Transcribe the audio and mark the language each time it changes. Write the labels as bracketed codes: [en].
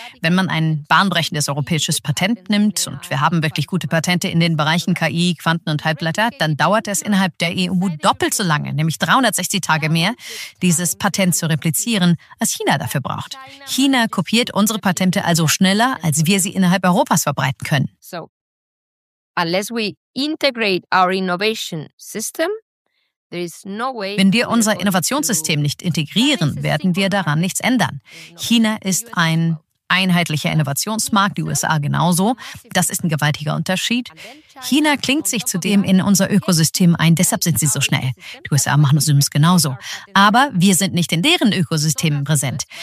[de] Wenn man ein bahnbrechendes europäisches Patent nimmt, und wir haben wirklich gute Patente in den Bereichen KI, Quanten und Halbleiter, dann dauert es innerhalb der EU doppelt so lange, nämlich 360 Tage mehr, dieses Patent zu replizieren, als China dafür braucht. China kopiert unsere Patente also schneller, als wir sie innerhalb Europas verbreiten können. [en] So, unless we integrate our innovation system, there is no way. [de] Wenn wir unser Innovationssystem nicht integrieren, werden wir daran nichts ändern. China ist ein einheitlicher Innovationsmarkt, die USA genauso. Das ist ein gewaltiger Unterschied. China klingt sich zudem in unser Ökosystem ein, deshalb sind sie so schnell. Die USA machen es übrigens genauso. Aber wir sind nicht in deren Ökosystemen präsent.